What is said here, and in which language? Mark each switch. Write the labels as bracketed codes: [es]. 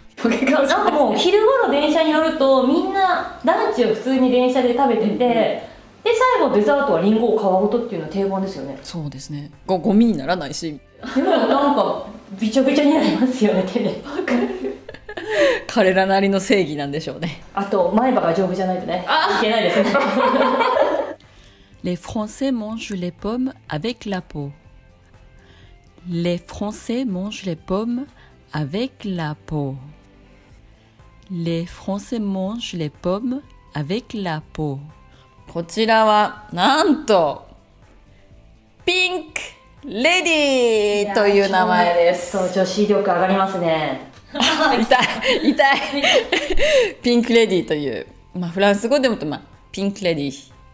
[ja] なんかもう昼頃電車に乗るとみんなランチを普通に電車で食べてて、うんうん、で最後デザートはリンゴを皮ごとっていうのは定番ですよね。そうですね、ゴミにならないし、でもなんかびちょびちょになりますよね、手で。彼らなりの正義なんでしょうね。あと前歯が丈夫じゃないとね、いけないですね。 [fr] Les Français mangent les pommes avec la peau. Les Français mangent les pommes avec la peau. Les Français mangent les pommes avec la peau. [ja] こちらはなんとピンクレディーという名前です。そう、女子力上がりますね。痛い痛いピンクレディーという、まあ、フランス語でもと、まあ、ピンクレディー。